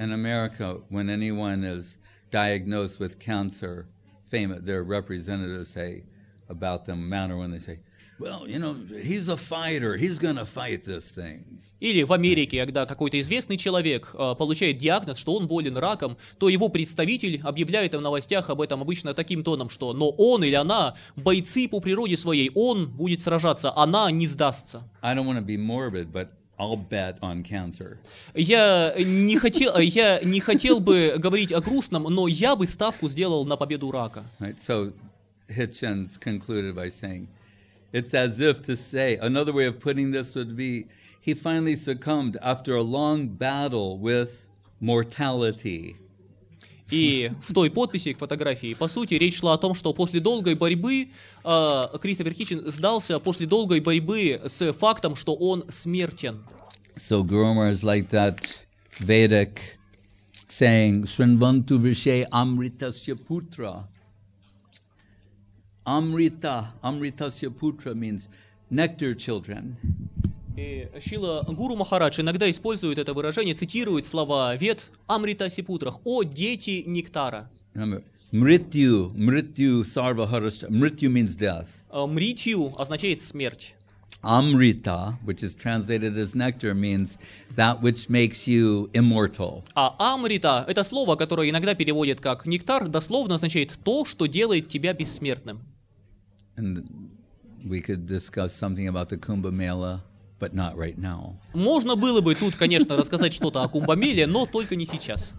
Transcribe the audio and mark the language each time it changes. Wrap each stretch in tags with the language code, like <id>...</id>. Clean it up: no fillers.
<en>In America, when anyone is diagnosed with cancer, famous, their representatives say about them, man or woman, they say, well, you know, he's a fighter, he's gonna fight this thing.</en> <ru>Или в Америке, когда какой-то известный человек получает диагноз, что он болен раком, то его представитель объявляет в новостях об этом обычно таким тоном, что «но он или она – бойцы по природе своей, он будет сражаться, она не сдастся».</ru> <en>I don't want to be morbid, but I'll bet on cancer.</en> <ru>Я не хотел бы говорить о грустном, но я бы ставку сделал на победу рака.</ru> <en>Right, so Hitchens concluded by saying, it's as if to say, another way of putting this would be, he finally succumbed after a long battle with mortality.</en> <ru>И в той подписи к фотографии, по сути, речь шла о том, что после долгой борьбы Кристофер Хитчен сдался после долгой борьбы с фактом, что он смертен.</ru> <en>So Grummer is like that Vedic saying,</en> <sa>Shrinvantu Vishe Amritasya Putra.</sa> <en>Amrita, Amritasya Putra means nectar children.</en> <ru>И Шрила Гуру Махарадж иногда использует это выражение, цитирует слова Вед</ru> <sa>Амрита Сипутрах</sa> <ru>«О дети нектара».</ru> <sa>Мритью, мритью сарва харашча.</sa> <en>Мритью means death.</en> <ru>Мритью означает смерть.</ru> <en>Амрита, which is translated as nectar, means that which makes you immortal.</en> <ru>А амрита – это слово, которое иногда переводят как нектар, дословно означает «то, что делает тебя бессмертным».</ru> <en>And we could discuss something about the Kumbh Mela. But not right now.</en> <ru>Можно было бы тут, конечно, рассказать что-то о Кумбамеле, но только не сейчас.</ru>